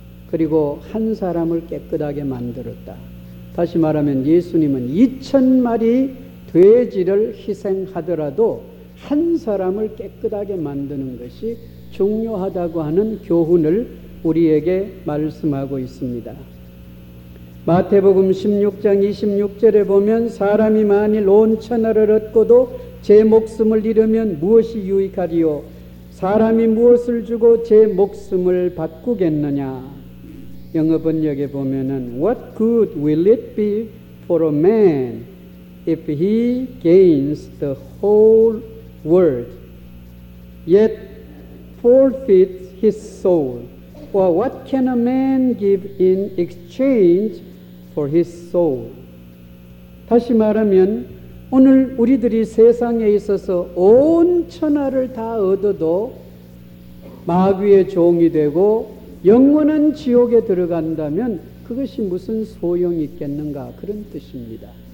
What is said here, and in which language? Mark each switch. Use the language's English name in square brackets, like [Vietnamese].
[Korean] 그리고 한 사람을 깨끗하게 만들었다. 다시 말하면 예수님은 2,000마리 돼지를 희생하더라도 한 사람을 깨끗하게 만드는 것이 중요하다고 하는 교훈을 우리에게 말씀하고 있습니다. 마태복음 16장 26절에 보면 사람이 만일 온 천하를 얻고도 제 목숨을 잃으면 무엇이 유익하리요? 사람이 무엇을 주고 제 목숨을 바꾸겠느냐? 영어 번역에 보면은 [English] What good will it be for a man if he gains the whole world yet forfeit his soul? Or what can a man give in exchange for his soul? [Korean] 다시 말하면 오늘 우리들이 세상에 있어서 온 천하를 다 얻어도 마귀의 종이 되고 영원한 지옥에 들어간다면 그것이 무슨 소용이 있겠는가 그런 뜻입니다.